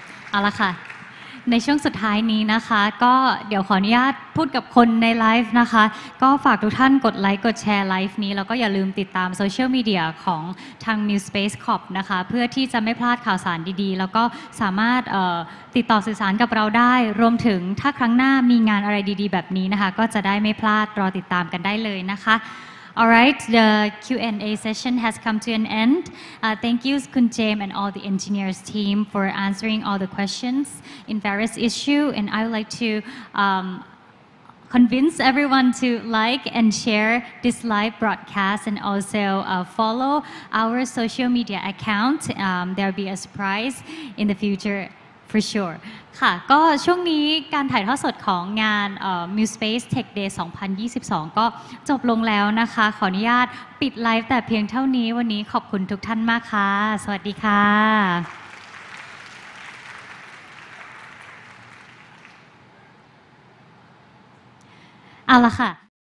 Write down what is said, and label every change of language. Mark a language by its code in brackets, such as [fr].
[th] เอาละค่ะในช่วงสุดท้ายนี้นะคะก็เดี๋ยวขออนุญาตพูดกับคนในไลฟ์นะคะก็ฝากทุกท่านกดไลค์กดแชร์ไลฟ์นี้แล้วก็อย่าลืมติดตามโซเชียลมีเดียของทาง New Space Corp นะคะเพื่อที่จะไม่พลาดข่าวสารดีๆแล้วก็สามารถติดต่อสื่อสารกับเราได้รวมถึงถ้าครั้งหน้ามีงานอะไรดีๆแบบนี้นะคะก็จะได้ไม่พลาดรอติดตามกันได้เลยนะคะ [en] All right, the Q&A session has come to an end. Thank you, Kun James and all the engineers team for answering all the questions in various issues. And I would like to convince everyone to like and share this live broadcast and also follow our social media account. There'll be a surprise in the future. For sure [th] ค่ะก็ช่วงนี้การถ่ายทอดสดของงาน MuSpace Tech Day 2022ก็จบลงแล้วนะคะขออนุญาตปิดไลฟ์แต่เพียงเท่านี้วันนี้ขอบคุณทุกท่านมากค่ะสวัสดีค่ะ เอาละค่ะ